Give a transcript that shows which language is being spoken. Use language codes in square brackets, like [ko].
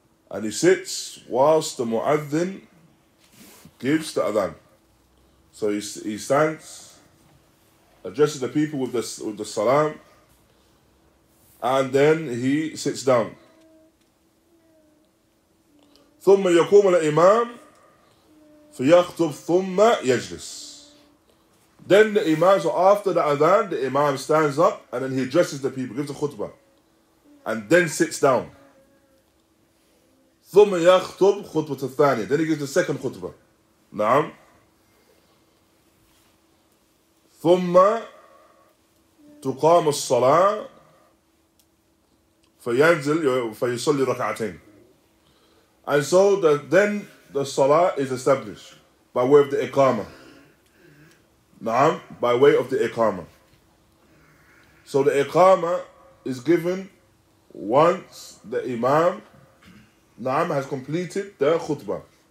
[en] And he sits whilst the mu'adhin gives the adhan. So he stands, addresses the people with the salam, and then he sits down. [ar] ثم يقوم الإمام فيخطب ثم يجلس. [en] Then the imam, so after the adhan, the imam stands up and then he addresses the people, gives a khutbah, and then sits down. [ar] ثم يخطب خطبة الثانية. [en] Then he gives the second khutbah. [ar] نعم. ثم تقام الصلاة فينزل فيصلي ركعتين. [en] And so then the salah is established by way of the iqamah. Naam, by way of the iqamah. So the iqamah is given once the imam, naam, has completed the khutbah.